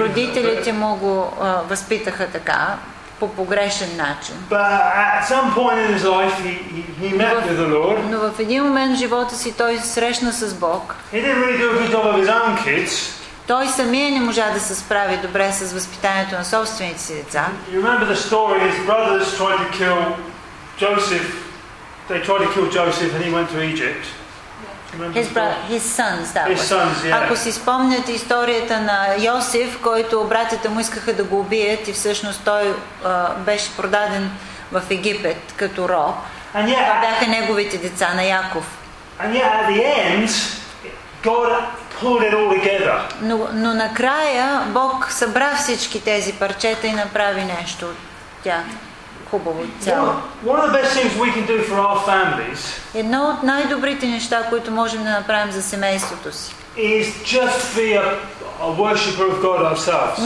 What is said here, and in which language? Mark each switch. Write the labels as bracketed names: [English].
[Bulgarian] Родителите му го възпитаха така, по погрешен начин. [English] But at some point in his life he met with the Lord. [Bulgarian] Но в един момент в живота си той се срещна с Бог. [English] He didn't really do a good job of his own kids. [Bulgarian] Той самия не можа да се справи добре с възпитанието на собствените си деца. [English] You remember the story, his brothers tried to kill Joseph. They tried to kill Joseph and he went to Egypt. His sons. [Bulgarian] Ако си спомняте историята на Йосиф, който братята му искаха да го убият и всъщност той беше продаден в Египет като роб. Това бяха неговите деца на Яков. [English] And yet, at the end, God pulled it all together. [Bulgarian] Но накрая Бог събра всички тези парчета и направи нещо от тях. [English] One of the best things we can do for our families. [Bulgarian] Едно от най-добрите неща, които можем да направим за семейството си. [English] Is just be a worshipper of God ourselves.